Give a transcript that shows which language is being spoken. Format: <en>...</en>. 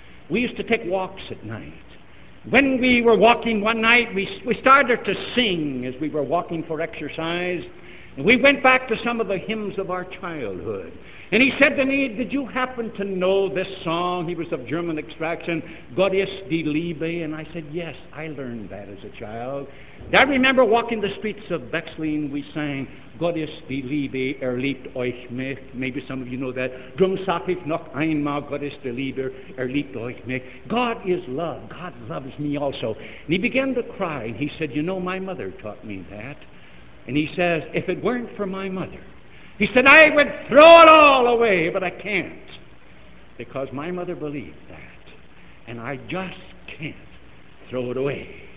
<en>We used to take walks at night. When we were walking one night, we started to sing as we were walking for exercise. And we went back to some of the hymns of our childhood. And he said to me, did you happen to know this song? He was of German extraction,</en> <de>Gott ist die Liebe.</de> <en>And I said, yes, I learned that as a child. And I remember walking the streets of Bexlin, we sang,</en> <de>Gott ist die Liebe, liebt euch mich.</de> <en>Maybe some of you know that.</en> <de>Drum sag ich noch einmal, Gott ist die Liebe, liebt euch mich.</de> <en>God is love, God loves me also. And he began to cry, and he said, you know, my mother taught me that. And he says, if it weren't for my mother, he said, I would throw it all away, but I can't. Because my mother believed that. And I just can't throw it away.</en>